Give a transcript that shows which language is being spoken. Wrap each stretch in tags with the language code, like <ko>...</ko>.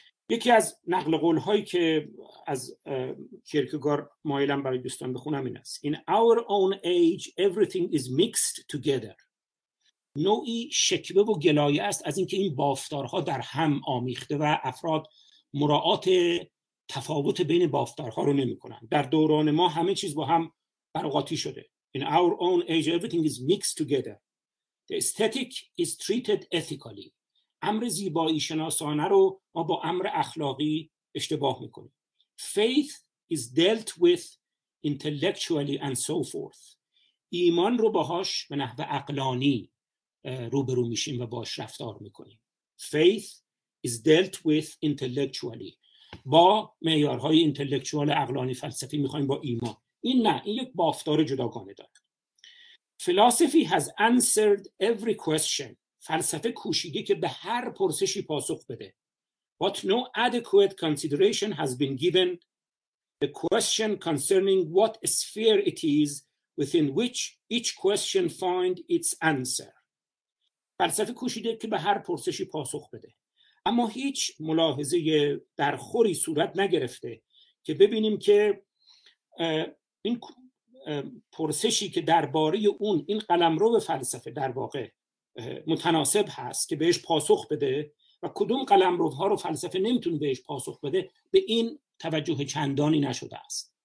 <fa>یکی از نقل قولهایی که از کیرکگور مایلم برای دوستان بخونم این است:</fa> <en>In our own age everything is mixed together.</en> <fa>نوعی شکوه و گلایه است از اینکه این بافتارها در هم آمیخته و افراد مراعات تفاوت بین بافتارها رو نمی کنن. در دوران ما همه چیز با هم برقاطی شده.</fa> <en>In our own age everything is mixed together. The aesthetic is treated ethically.</en> <fa>امر زیبایی شناسانه رو ما با امر اخلاقی اشتباه میکنیم.</fa> <en>Faith is dealt with intellectually and so forth.</en> <fa>ایمان رو باهاش به نحو عقلانی روبرو میشیم و باش رفتار میکنیم.</fa> <en>Faith is dealt with intellectually.</en> <fa>با معیارهای اینتلکچوال عقلانی فلسفی میخوایم با ایمان. این نه، این یک بافتار جداگانه داره.</fa> <en>Philosophy has answered every question.</en> <fa>فلسفه کوشیده که به هر پرسشی پاسخ بده.</fa> <en>But no adequate consideration has been given the question concerning what sphere it is within which each question find its answer.</en> <fa>فلسفه کوشیده که به هر پرسشی پاسخ بده، اما هیچ ملاحظه درخوری صورت نگرفته که ببینیم که این پرسشی که درباره اون این قلمرو فلسفه در واقع متناسب هست که بهش پاسخ بده و کدوم قلمروها رو فلسفه نمیتونه بهش پاسخ بده، به این توجه چندانی نشده است.</fa>